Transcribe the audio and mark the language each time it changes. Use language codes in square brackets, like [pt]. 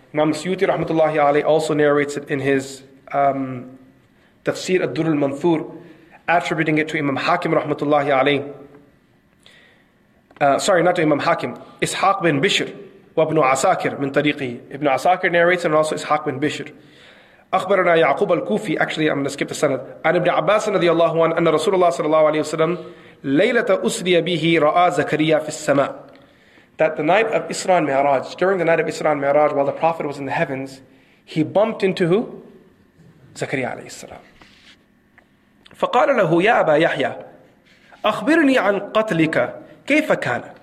[en] Imam Suyuti rahmatullahi alayhi also narrates it in his Tafsir ad-Durr al-Manthur, attributing it to Imam Hakim rahmatullahi alayhi. Sorry, not to Imam Hakim. Ishaq bin Bishr wa ibn Asakir min tariqi. Ibn Asakir narrates and also Ishaq bin Bishr. [ar] أخبرنا يعقوب الكوفي. [en] Actually, I'm going to skip the sanad. [ar] عن ابن عباس رضي الله عنه أن رسول الله صلى الله عليه وسلم ليلة أسري به رأى زكريا في السماء. [en] That the night of Isra and Mi'raj, during the night of Isra and Mi'raj, while the Prophet was in the heavens, he bumped into who? Zakaria عليه السلام. [ar] فقال له يا أبا يحيى أخبرني عن قتلك كيف كان.